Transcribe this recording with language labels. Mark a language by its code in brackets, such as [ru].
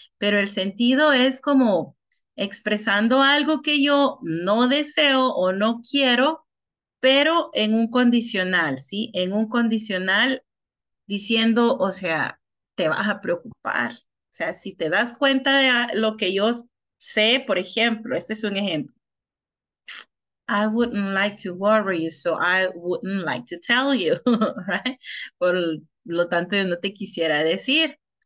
[es] Pero el sentido es como expresando algo que yo no deseo o no quiero, pero en un condicional, ¿sí? En un condicional diciendo, o sea, te vas a preocupar. O sea, si te das cuenta de lo que yo sé, por ejemplo, este es un ejemplo. [en] I wouldn't like to worry you, so I wouldn't like to tell you, right? [es] Por lo tanto, yo no te quisiera decir.